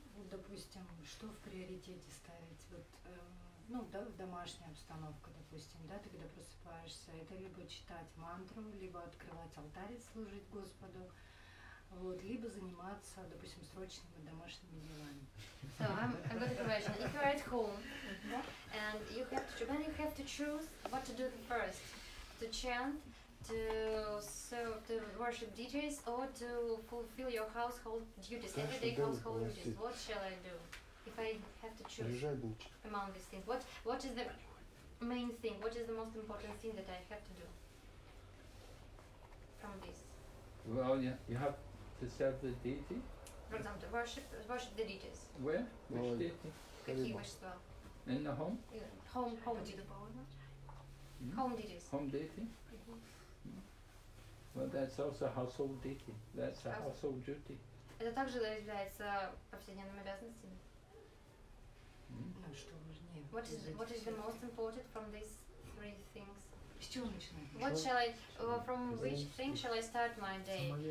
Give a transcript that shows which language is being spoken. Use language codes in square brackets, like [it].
[ru] Допустим, что в приоритете ставить? Вот, ну, да, домашняя обстановка, допустим, да, ты когда просыпаешься, это либо читать мантру, либо открывать алтарь, служить Господу, вот, либо заниматься, допустим, срочными домашними делами. [en] So I'm a good question. If you're at home, mm-hmm. and you have to choose, when you have to choose what to do first, to chant, to serve, to worship deities, or to fulfill your household duties, everyday household duties. What shall I do if I have to choose among these things? What is the main thing? What is the most important thing that I have to do from this? Well, yeah, you have to serve the deity. For example, worship the deities. Where? Which deity? Kakiwashtva. In the home? Yeah. Home deities. Home deities. Home deity. Well, that's also household duty. That's a household duty. [ru] Это также является повседневными обязанностями. Ну что важнее? [en] What is the most important from these three things? [ru] С чего начинать? [en] What shall I from which thing shall I start my day?